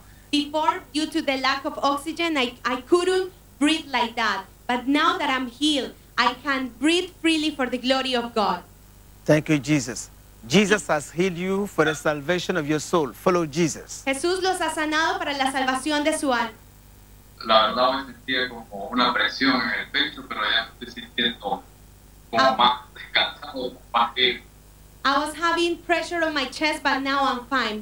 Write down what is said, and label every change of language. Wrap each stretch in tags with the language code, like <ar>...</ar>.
<en>Before, due to the lack of oxygen, I couldn't breathe like that. But now that I'm healed, I can breathe freely for the glory of God. Thank you, Jesus. Jesus has healed you for the salvation of your soul. Follow Jesus.</en> <es>Jesús los ha sanado para la salvación de su alma. La verdad, me sentía como una presión en el pecho, pero ya me siento como más descansado, más bien.</es> <en>I was having pressure on my chest, but now I'm fine.</en>